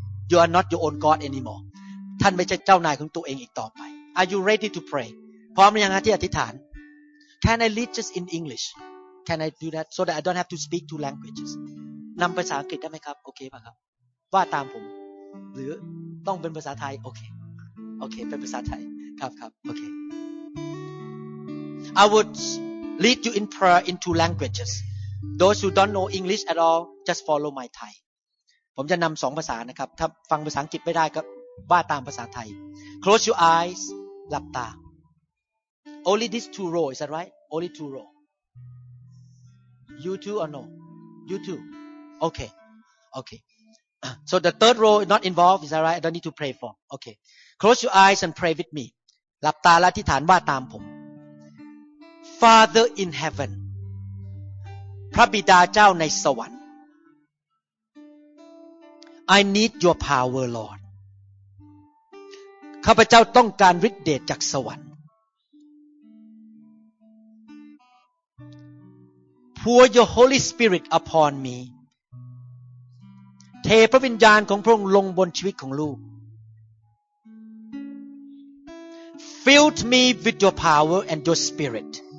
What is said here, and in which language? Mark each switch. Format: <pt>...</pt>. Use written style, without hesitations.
<en>You are not your own God anymore</en> <th>ท่านไม่ใช่เจ้านายของตัวเองอีกต่อไป</th> <en>Are you ready to pray</en> <th>พร้อมหรือยังที่อธิษฐาน</th> <en>Can I lead just in English Can I do that so that I don't have to speak two languages</en> <th>นำภาษาอังกฤษได้ไหมครับโอเคป่ะครับว่าตามผมหรือต้องเป็นภาษาไทยโอเคเป็นภาษาไทยครับโอเค</th> <en>I wouldLead you in prayer in two languages. Those who don't know English at all, just follow my Thai.</en> <th>ผมจะนำสองภาษานะครับถ้าฟังภาษาอังกฤษไม่ได้ก็ว่าตามภาษาไทย</th> <en>Close your eyes.</en> <th>หลับตา</th> <en>Only these two rows, is that right? Only two rows. You too or no? You too. Okay. So the third row is not involved, is that right? I don't need to pray for. Okay. Close your eyes and pray with me.</en> <th>หลับตาและอธิษฐานว่าตามผม</th> <en>Father in heaven,</en> <th>พระบิดาเจ้าในสวรรค์</th> <en>I need your power, Lord.</en> <th>ข้าพเจ้าต้องการฤทธิ์เดชจากสวรรค์</th> <en>Pour your Holy Spirit upon me.</en> <th>เทพระวิญญาณของพระองค์ลงบนชีวิตของลูก</th> <en>Fill me with your power and your spirit.</en>